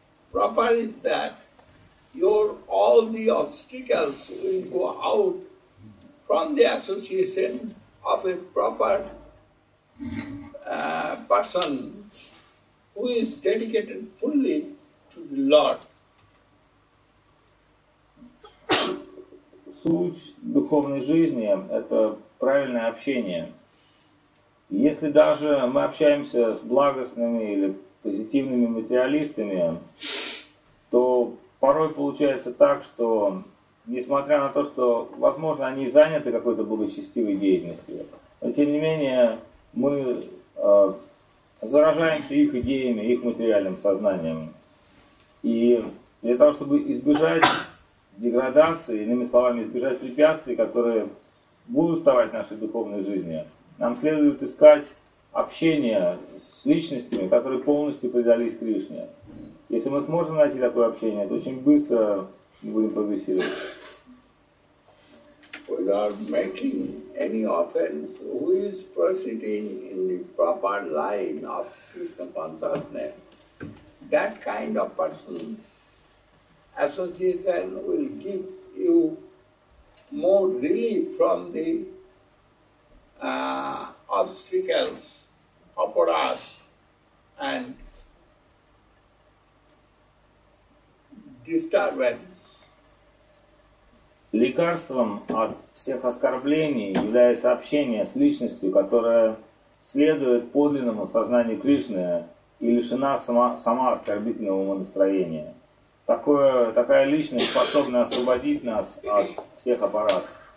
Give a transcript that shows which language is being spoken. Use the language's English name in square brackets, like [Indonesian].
[English] Proper is that your all the obstacles will go out from the association of a proper person who is dedicated fully to the Lord. [Russian] Суть духовной жизни – это правильное общение. Если даже мы общаемся с благостными или позитивными материалистами, то порой получается так, что, несмотря на то, что, возможно, они заняты какой-то благочестивой деятельностью, но, тем не менее, мы заражаемся их идеями, их материальным сознанием. И для того, чтобы избежать деградации, иными словами, избежать препятствий, которые будут вставать в нашей духовной жизни, нам следует искать общение с личностями, которые полностью предались Кришне. Если мы сможем найти такое общение, то очень быстро мы будем прогрессировать. [English] Without making any offense, who is proceeding in the proper line of Krishna consciousness, that kind of person, association will give you more relief from the obstacles, apuras, and disturbance. [Russian] Лекарством от всех оскорблений является общение с личностью, которая следует подлинному сознанию Кришны и лишена сама оскорбительного умонастроения. Такая личность способна освободить нас от всех апарас.